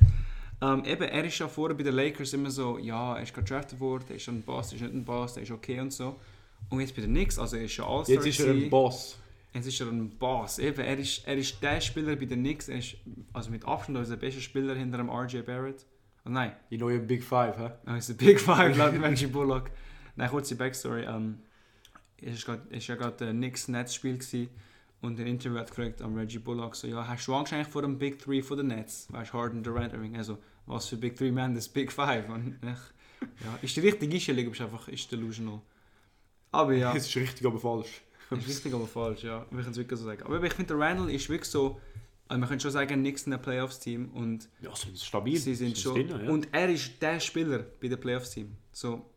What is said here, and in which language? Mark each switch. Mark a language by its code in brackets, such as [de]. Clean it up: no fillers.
[de] Eben, er ist ja vorher bei den Lakers immer so, ja, er ist gerade drafted worden, er ist ein Boss, er ist nicht ein Boss, er ist okay und so. Und jetzt bei den Knicks, also er ist ja All-Star. Jetzt ist er ein Boss. Eben, er ist der Spieler bei den Knicks, er ist also mit Abstand der beste Spieler hinter dem RJ Barrett. Oh nein. [en] You know your Big Five, hä? Huh? Oh, it's a Big Five, like Reggie Bullock. [de] Nein, kurze Backstory. Es war gerade ein Knicks-Nets-Spiel und ein Interview hat gefragt an Reggie Bullock. So, ja, hast du Angst eigentlich vor dem Big Three von den Nets? Weißt du, Harden, Durant, Irving? Also, was für Big Three, man, das Big Five. Und ich, ja, ist die richtige Einstellung, aber ist einfach delusional. Aber ja. Es ist richtig, aber falsch. Wir können es wirklich so sagen. Aber ich finde, der Randall ist wirklich so, also man könnte schon sagen, Knicks in der Playoffs-Team. Und ja, sie sind stabil. Sie sind schon. Drin, ja. Und er ist der Spieler bei der Playoffs-Team. So.